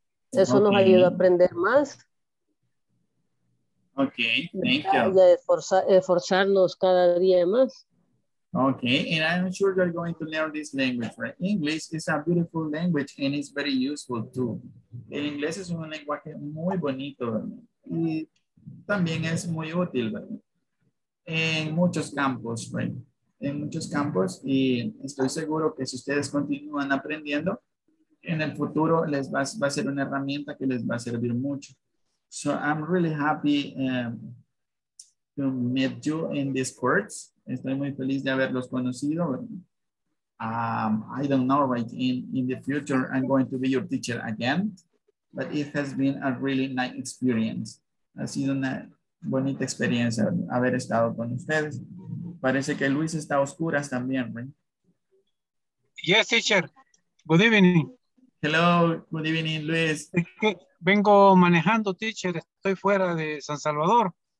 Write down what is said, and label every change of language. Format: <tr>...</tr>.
<es>Eso okay. Nos ayudó a aprender más.</es> <en>Ok, thank you.</en> <es>Esforzarnos cada día más.</es> <en>Ok, and I'm sure you're going to learn this language, right? English is a beautiful language and it's very useful too.</en> <es>El inglés es un lenguaje muy bonito, ¿verdad? Y también es muy útil, ¿verdad? En muchos campos, right? En muchos campos, y estoy seguro que si ustedes continúan aprendiendo, en el futuro les va a ser una herramienta que les va a servir mucho.</es> <en>So I'm really happy to meet you in this course.</en> <es>Estoy muy feliz de haberlos conocido.</es> <en>I don't know, right? In the future, I'm going to be your teacher again, but it has been a really nice experience.</en> <es>Ha sido una bonita experiencia haber estado con ustedes. Parece que Luis está a oscuras también, right?</es> <en>Yes, teacher. Good evening. Hello, good evening, Luis.</en> <es>Es que vengo manejando, teacher. Estoy fuera de San Salvador.</es>